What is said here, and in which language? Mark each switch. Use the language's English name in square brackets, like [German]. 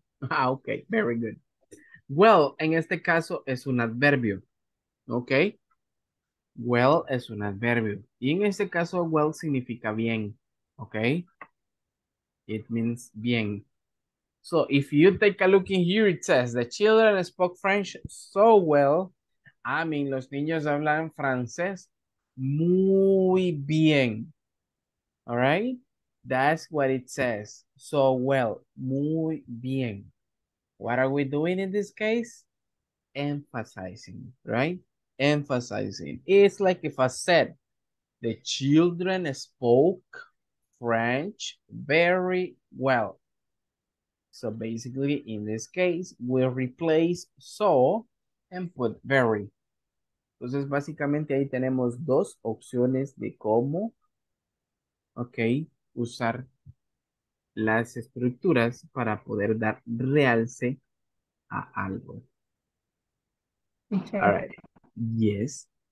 [English] Ah, okay. Very good. [Spanish] Well, en este caso es un adverbio. Okay. Well es un adverbio. Y en este caso, well significa bien. Okay. [English] It means bien. So, if you take a look in here, it says, the children spoke French so well. I mean, [Spanish] los niños hablan francés muy bien. [English] All right? That's what it says. So well. [Spanish] Muy bien. [English] What are we doing in this case? Emphasizing, right? Emphasizing. It's like if I said, the children spoke French very well. So basically, in this case, we replace so and put very. [Spanish] Entonces, básicamente, ahí tenemos dos opciones de cómo, okay, usar las estructuras para poder dar realce a algo. [English] Okay. All right. Yes.